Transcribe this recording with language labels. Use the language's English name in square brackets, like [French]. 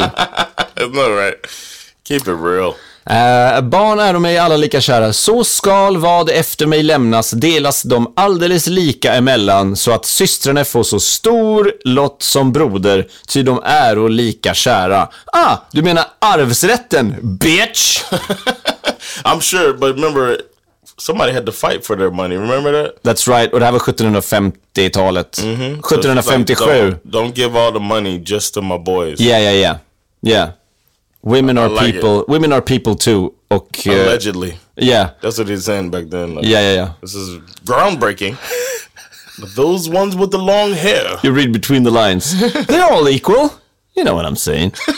[English] It's not right. Keep it real. [Swedish] Barn är de mig alla lika kära. Så skal vad efter mig lämnas delas de alldeles lika emellan, så att systrarna får så stor lott som broder, ty de är och lika kära. Ah, du menar arvsrätten, bitch. [English] I'm sure, but remember, somebody had to fight for their money, remember that? That's right, [Swedish] och det här var 1750-talet. [English] Mm-hmm. 1757. So don't give all the money just to my boys. Yeah, yeah, yeah. Yeah. Women are like people. It. Women are people too. Och, allegedly. Yeah. That's what he's saying back then. Like, yeah, yeah, yeah. This is groundbreaking. But those ones with the long hair. You read between the lines. They're all equal. You know what I'm saying.